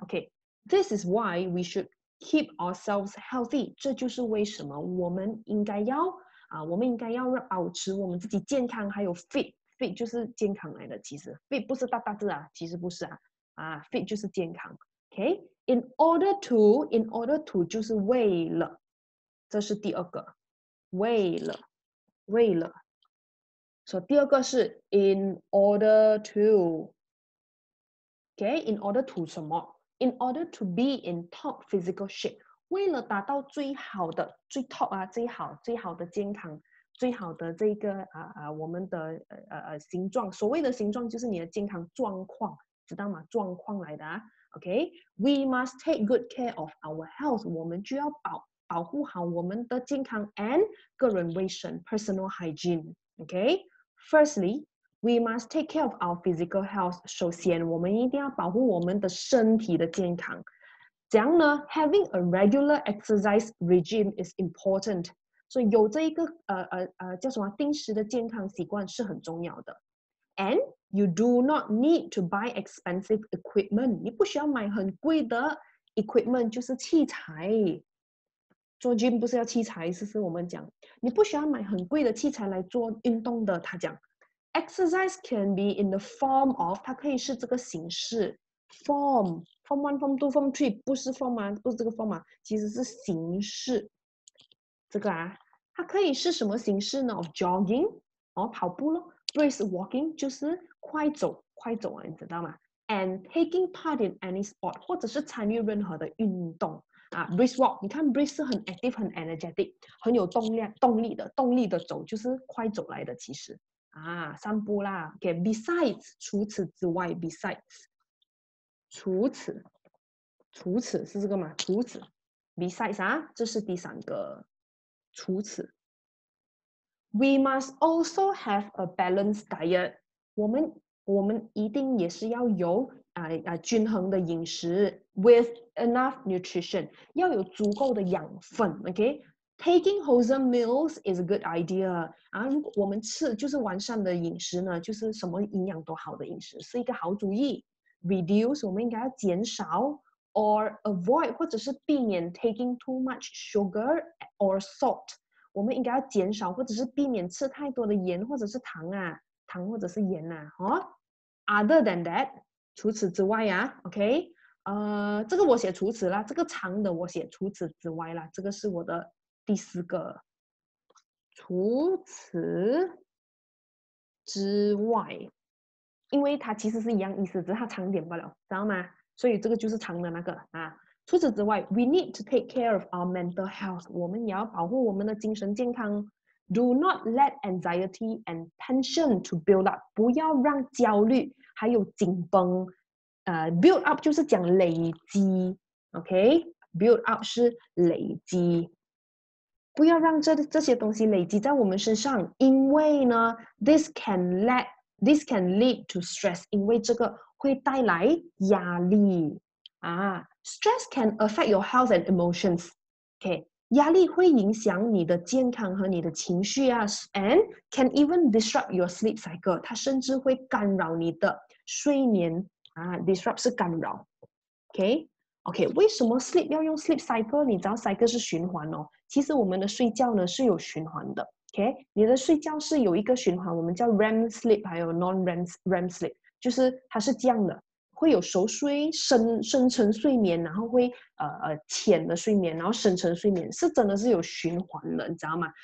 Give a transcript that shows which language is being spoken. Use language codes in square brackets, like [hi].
[en] OK，this is why we should keep ourselves healthy。 [zh] 这就是为什么我们应该要保持我们自己健康，还有 fit 就是健康来的。其实 fit 不是大大字啊，其实不是啊，fit 就是健康。 OK， [en] in order to [zh] 就是为了，这是第二个，为了。所以第二个是 [en] in order to。 [zh] OK，in order to 什么？ [en] In order to be in top physical shape， [zh] 为了达到最好的、最 top 啊、最好的健康、最好的这个我们的形状。所谓的形状就是你的健康状况，知道吗？状况来的啊。 OK， [en] we must take good care of our health， [zh] 我们就要保护好我们的健康 and 个人卫生 [en] （personal hygiene）。 OK，firstly。 We must take care of our physical health。 [zh] 首先，我们一定要保护我们的身体的健康。这样呢， [en] having a regular exercise regime is important。 [zh] 所以，有这一个叫什么定时的健康习惯是很重要的。 [en] And you do not need to buy expensive equipment。 [zh] 你不需要买很贵的 equipment，就是器材。做 gym 不是要器材，是我们讲，你不需要买很贵的器材来做运动的。他讲。 [en] Exercise can be in the form of， [zh] 它可以是这个形式， [en] form one, form two, form three， [zh] 不是 form 啊，不是这个 form 啊，其实是形式。这个啊，它可以是什么形式呢？ [en] Of jogging， [zh] 哦，跑步咯， [en] brisk walking [zh] 就是快走啊，你知道吗？ [en] And taking part in any sport， [zh] 或者是参与任何的运动啊，brisk walk，你看 brisk 是很 active、很 energetic、很有动力的走，就是快走来的其实。啊，散步啦。 OK，besides，除此之外，besides，除此是这个吗？除此，besides 啊，这是第三个。除此， [en] we must also have a balanced diet。 [zh] 我们一定也是要有均衡的饮食，with [en] enough nutrition, [zh] 要有足够的养分 [en] ，okay? Taking wholesome meals is a good idea. [zh] 啊，如果我们吃就是完善的饮食呢，就是什么营养都好的饮食，是一个好主意。 [en] Reduce, [zh] 我们应该要减少 [en] or avoid, [zh] 或者是避免 [en] taking too much sugar or salt. [zh] 我们应该要减少或者是避免吃太多的盐或者是糖啊，糖或者是盐啊，哦。 [en] Other than that, [zh] 除此之外啊 [en] okay? [zh] 这个我写除此啦，这个长的我写除此之外啦，这个是我的第四个。除此之外，因为它其实是一样意思，只是它长点罢了，知道吗？所以这个就是长的那个啊。除此之外 [en] ，we need to take care of our mental health， [zh] 我们也要保护我们的精神健康。 [en] Do not let anxiety and tension to build up， [zh] 不要让焦虑还有紧绷。 [en] Build up [zh] 就是讲累积 ，OK？ [en] Build up [zh] 是累积，不要让 这些东西累积在我们身上，因为呢 ， [en] this can lead to stress， [zh] 因为这个会带来压力啊。 [en] Stress can affect your health and emotions， OK？ [zh] 压力会影响你的健康和你的情绪啊 ， [en] and can even disrupt your sleep cycle， [zh] 它甚至会干扰你的睡眠。 Disrupt 是干扰 ，OK， 为什么 sleep 要用 [en] sleep cycle？ [zh] 你知道 cycle 是循环哦。其实我们的睡觉呢是有循环的 ，OK， 你的睡觉是有一个循环，我们叫 [en] REM sleep， [zh] 还有 [en] non REM sleep， [zh] 就是它是这样的，会有熟睡、深层睡眠，然后会浅的睡眠，然后深层睡眠是真的是有循环的，你知道吗？